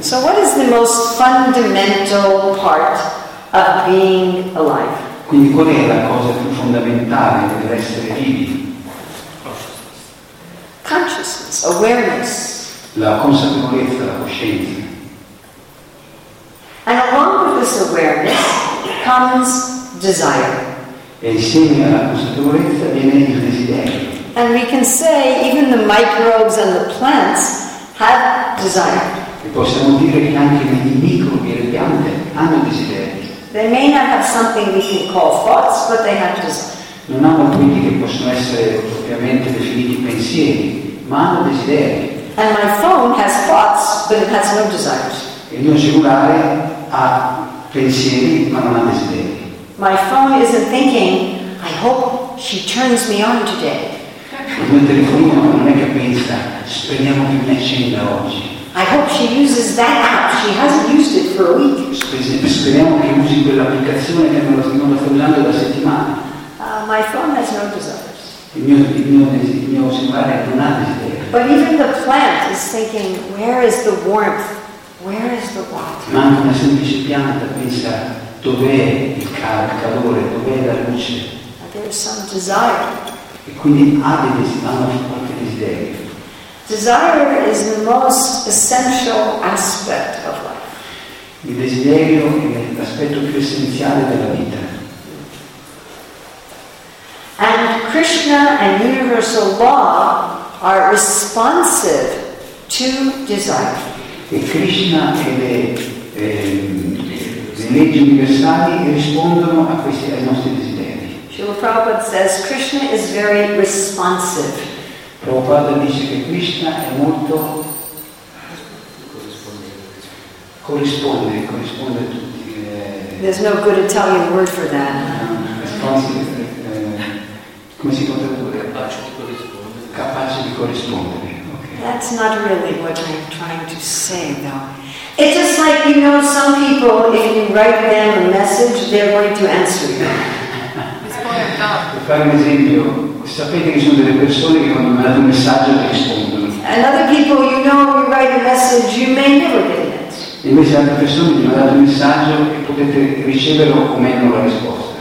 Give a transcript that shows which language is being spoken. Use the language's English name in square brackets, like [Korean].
[English] So what is the most fundamental part of being alive? [Italian] Quindi qual è la cosa più fondamentale per essere vivi? [English] Consciousness, awareness. [Italian] La consapevolezza, la coscienza. [English] And along with this awareness comes desire. [Italian] E insieme alla consapevolezza viene il desiderio. [English] And we can say even the microbes and the plants have desire. [Italian] E possiamo dire che anche i microbi e le piante hanno desiderio. [English] They may not have something we can call thoughts, but they have desire. [Italian] Non hanno quindi che possono essere propriamente definiti pensieri, ma hanno desideri. [English] And my phone has thoughts, but it has no desires. [Italian] Il mio cellulare ha pensieri, ma non ha desideri. [English] My phone isn't thinking, "I hope she turns me on today." [Italian] Il mio telefonino non è che pensa, "Speriamo che mi accenda oggi." [English] I hope she uses that app. She hasn't used it for a week. [Italian] Speriamo che usi quell'applicazione che non la sta usando da settimana. [English] My phone has no desires. [Italian] Il mio cellulare non ha desideri. [English] But even the plant is thinking, "Where is the warmth? Where is the water?" [Italian] Ma anche una semplice pianta pensa, "Dov'è il calore? Dov'è la luce?" [English] There's some desire. [Italian] E quindi ha dei desideri, qualche desiderio. [English] Desire is the most essential aspect of life. [Italian] Il desiderio è l'aspetto più essenziale della vita. [English] And Krishna and universal law are responsive to desire. [Italian] E Krishna e le leggi universali rispondono a questi, ai nostri desideri. [English] Srila Prabhupada says Krishna is very responsive. [Italian] Prabhupada dice che Krishna è molto corrisponde a tutti. [English] There's no good Italian word for that. [Italian] Come si può tradurre? Capace di corrispondere. Okay. [English] That's not really what I'm trying to say, though. It's just like, you know, some people, if you write them a message, they're going to answer you. [Italian] Per fare un esempio, sapete che sono delle persone che quando mandano un messaggio rispondono. [English] And other people, you know, you write a message, you may never get it. [Italian] Invece altre persone vi mandano un messaggio e potete riceverlo o meno la risposta.